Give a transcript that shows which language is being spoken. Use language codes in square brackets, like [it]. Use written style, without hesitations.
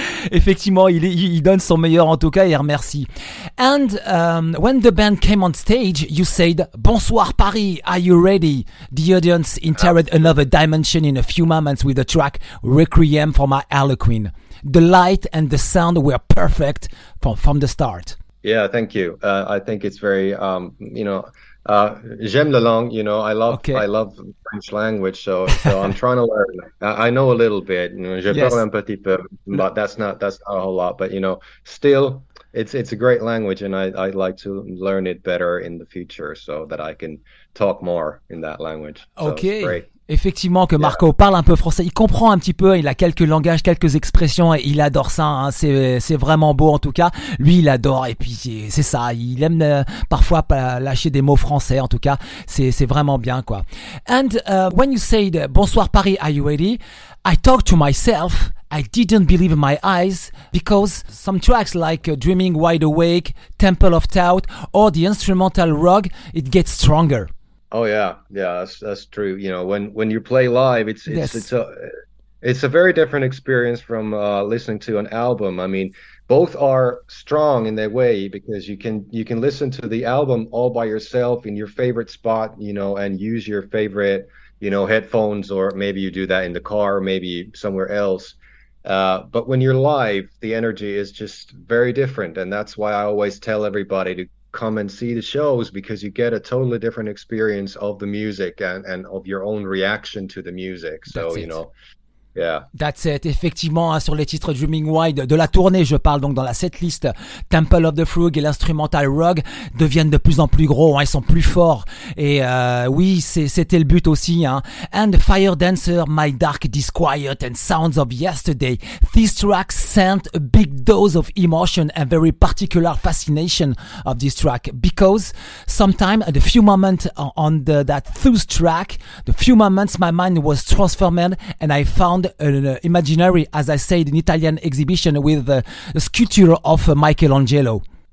[fr] Effectivement, il donne son meilleur en tout cas et remercie. [en] And when the band came on stage, you said, [fr] "Bonsoir Paris, [en] are you ready?" The audience entered another dimension in a few moments with the track "Requiem for My Harlequin." The light and the sound were perfect from the start. Yeah, thank you. I think it's very, you know. [fr] J'aime la langue, [en] you know, I love French language, so I'm trying to learn. I know a little bit, [fr] je parle un petit peu, [en] but that's not a whole lot, but you know, still, it's a great language, and I'd like to learn it better in the future, so that I can talk more in that language. Okay. [fr] So effectivement, que Marco parle un peu français, il comprend un petit peu, il a quelques langages, quelques expressions, et il adore ça, hein. C'est vraiment beau en tout cas, lui il adore, et puis c'est ça, il aime parfois lâcher des mots français, en tout cas c'est vraiment bien quoi. [en] And when you said [fr] "Bonsoir Paris, [en] are you ready?" I talked to myself, I didn't believe my eyes, because some tracks like "Dreaming Wide Awake", "Temple of Doubt", or the instrumental "Rogue", it gets stronger. Oh yeah, that's true. You know, when you play live, it's a very different experience from listening to an album. I mean, both are strong in their way, because you can listen to the album all by yourself in your favorite spot, you know, and use your favorite, you know, headphones, or maybe you do that in the car, maybe somewhere else. But when you're live, the energy is just very different, and that's why I always tell everybody to come and see the shows, because you get a totally different experience of the music and of your own reaction to the music. So, you know, That's it. [fr] Effectivement, hein, sur les titres Dreaming Wide de la tournée, je parle donc dans la setlist, Temple of the Frog et l'instrumental Rogue deviennent de plus en plus gros, hein, ils sont plus forts. Et oui, c'était le but aussi. Hein. [en] And Fire Dancer, My Dark Disquiet and Sounds of Yesterday. These tracks sent a big dose of emotion and very particular fascination of this track because sometimes at a few moments on the, that through track, the few moments my mind was transformed and I found imaginary, as I said, an Italian exhibition with the sculpture of Michelangelo.